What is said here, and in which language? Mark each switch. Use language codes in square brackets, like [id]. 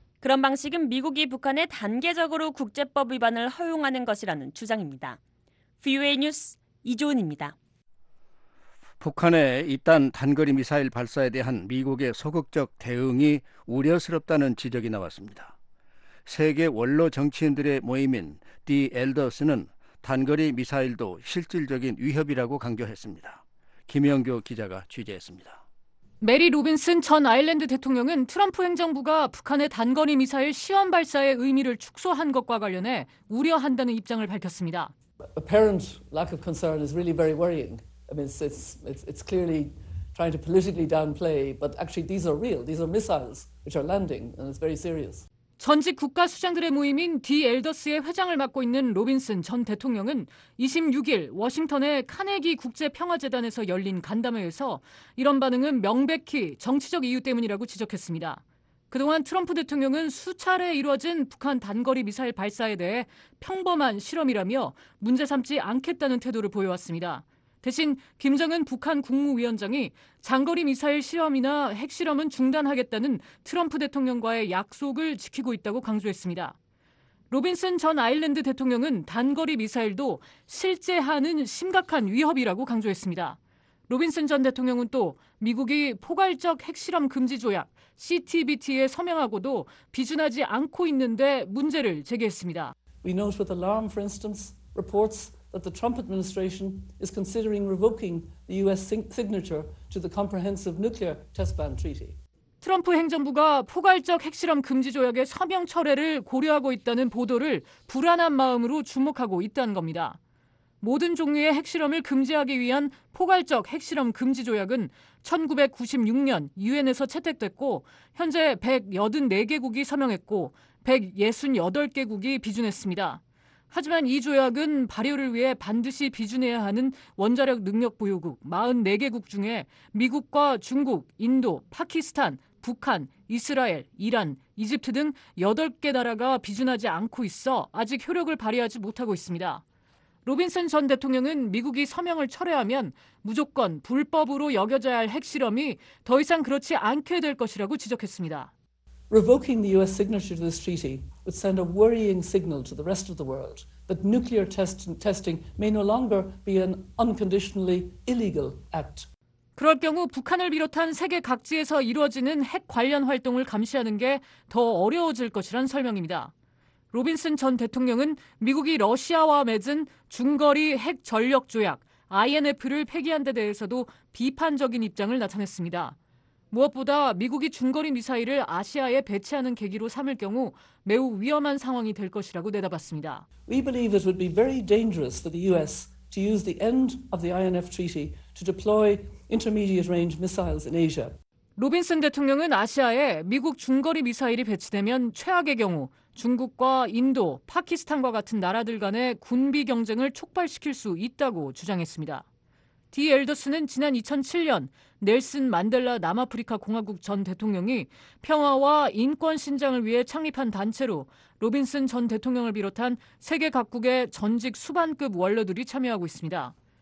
[ko] 그런 방식은 미국이 북한에 단계적으로 국제법 위반을 허용하는 것이라는 주장입니다. VOA 뉴스 이조은입니다. 북한의 잇단 단거리 미사일 발사에 대한 미국의 소극적 대응이 우려스럽다는 지적이 나왔습니다. 세계 원로 정치인들의 모임인 디 엘더스는 단거리 미사일도 실질적인 위협이라고 강조했습니다. 김영교 기자가 취재했습니다. 메리 로빈슨 전 아일랜드 대통령은 트럼프 행정부가 북한의 단거리 미사일 시험 발사의 의미를 축소한 것과 관련해 우려한다는 입장을 밝혔습니다. [en] Apparent lack of concern is really very worrying. I mean, it's clearly trying to politically downplay, but actually these are real. These are missiles which are landing, and it's very serious. [ko] 전직 국가 수장들의 모임인 디 엘더스의 회장을 맡고 있는 로빈슨 전 대통령은 26일 워싱턴의 카네기 국제평화재단에서 열린 간담회에서 이런 반응은 명백히 정치적 이유 때문이라고 지적했습니다. 그동안 트럼프 대통령은 수차례 이뤄진 북한 단거리 미사일 발사에 대해 평범한 실험이라며 문제 삼지 않겠다는 태도를 보여왔습니다. 대신 김정은 북한 국무위원장이 장거리 미사일 실험이나 핵실험은 중단하겠다는 트럼프 대통령과의 약속을 지키고 있다고 강조했습니다. 로빈슨 전 아일랜드 대통령은 단거리 미사일도 실제하는 심각한 위협이라고 강조했습니다. 로빈슨 전 대통령은 또 미국이 포괄적 핵실험 금지 조약 CTBT에 서명하고도 비준하지 않고 있는데 문제를 제기했습니다. [en] We note with alarm, for instance, reports that the Trump administration is considering revoking the US signature to the Comprehensive Nuclear Test Ban Treaty. [ko] 트럼프 행정부가 포괄적 핵실험 금지 조약의 서명 철회를 고려하고 있다는 보도를 불안한 마음으로 주목하고 있다는 겁니다. 모든 종류의 핵실험을 금지하기 위한 포괄적 핵실험 금지 조약은 1996년 UN에서 채택됐고 현재 184개국이 서명했고 168개국이 비준했습니다. 하지만 이 조약은 발효를 위해 반드시 비준해야 하는 원자력 능력 보유국 44개국 중에 미국과 중국, 인도, 파키스탄, 북한, 이스라엘, 이란, 이집트 등 8개 나라가 비준하지 않고 있어 아직 효력을 발휘하지 못하고 있습니다. 로빈슨 전 대통령은 미국이 서명을 철회하면 무조건 불법으로 여겨져야 할 핵실험이 더 이상 그렇지 않게 될 것이라고 지적했습니다. [en] Revoking the US signature to this treaty would send a worrying signal to the rest of the world that nuclear testing may no longer be an unconditionally illegal act. [ko] 그럴 경우 북한을 비롯한 세계 각지에서 이루어지는 핵 관련 활동을 감시하는 게 더 어려워질 것이란 설명입니다. 로빈슨 전 대통령은 미국이 러시아와 맺은 중거리 핵 전력 조약 INF를 폐기한 데 대해서도 비판적인 입장을 나타냈습니다. 무엇보다 미국이 중거리 미사일을 아시아에 배치하는 계기로 삼을 경우 매우 위험한 상황이 될 것이라고 내다봤습니다. [en] We believe it would be very dangerous for the US to use the end of the INF treaty to deploy intermediate range missiles in Asia. [ko] 로빈슨 대통령은 아시아에 미국 중거리 미사일이 배치되면 최악의 경우 중국과 인도, 파키스탄과 같은 나라들 간의 군비 경쟁을 촉발시킬 수 있다고 주장했습니다. 디 엘더스는 지난 2007년 넬슨 만델라 남아프리카 공화국 전 대통령이 평화와 인권 신장을 위해 창립한 단체로 로빈슨 전 대통령을 비롯한 세계 각국의 전직 수반급 원로들이 참여하고 있습니다.